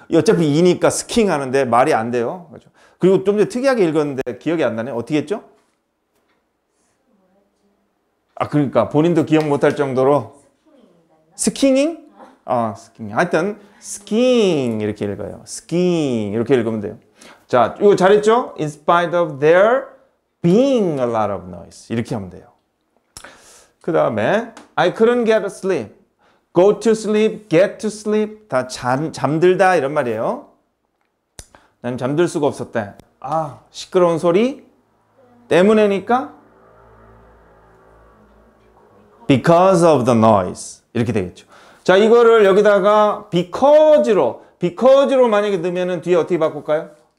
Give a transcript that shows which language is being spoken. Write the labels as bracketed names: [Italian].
[Korean] 어차피 이니까 skiing 하는데 말이 안 돼요. 그렇죠. 그리고 좀 더 특이하게 읽었는데 기억이 안 나네. 어떻게 했죠? 아, 그러니까 본인도 기억 못할 정도로 스키잉? 아, 스키잉. 하여튼 스키잉 이렇게 읽어요. 스키잉 이렇게 읽으면 돼요. 자, 이거 잘했죠? [English] In spite of there being a lot of noise [Korean] 이렇게 하면 돼요. 그 다음에 [English] I couldn't get a sleep. Go to sleep, get to sleep [Korean] 다 잠들다 이런 말이에요. 난 잠들 수가 없었대. 아, 시끄러운 소리 때문에니까 [English] because of the noise [Korean] 이렇게 되겠죠. 자, 이거를 여기다가 because로 만약에 넣으면은 뒤에 어떻게 바꿀까요?